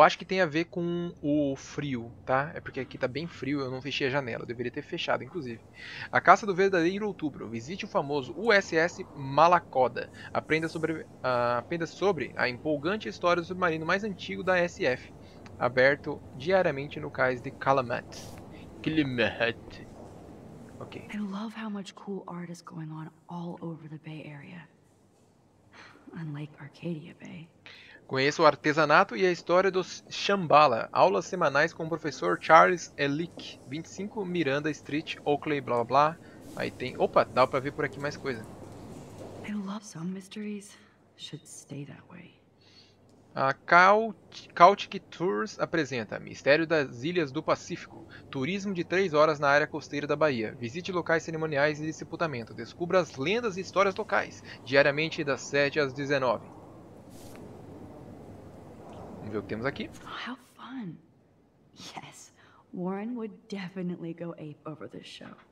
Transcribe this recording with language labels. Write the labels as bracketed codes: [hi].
[pt] acho que tem a ver com o frio, tá? É porque aqui tá bem frio, eu não fechei a janela. Eu deveria ter fechado, inclusive. A Caça do Verdadeiro Outubro. Visite o famoso USS Malacoda. Aprenda sobre a empolgante história do submarino mais antigo da SF, aberto diariamente no cais de Kalamat. Kalamat. Ok. [en] I love how much cool art is going on all over the Bay Area. Unlike Arcadia Bay. [pt] Conheço o artesanato e a história do Shambhala. Aulas semanais com o professor Charles Elick, 25 Miranda Street, Oakley, blá blá blá. Aí tem. Opa, dá pra ver por aqui mais coisa. [en] I love some mysteries should stay that way. [pt] A Cautic Tours apresenta Mistério das Ilhas do Pacífico. Turismo de 3 horas na área costeira da Bahia. Visite locais cerimoniais e de sepultamento. Descubra as lendas e histórias locais. Diariamente das 7 às 19. Vamos ver o que temos aqui. [en] How fun. Yes, Warren would definitely go ape over this show.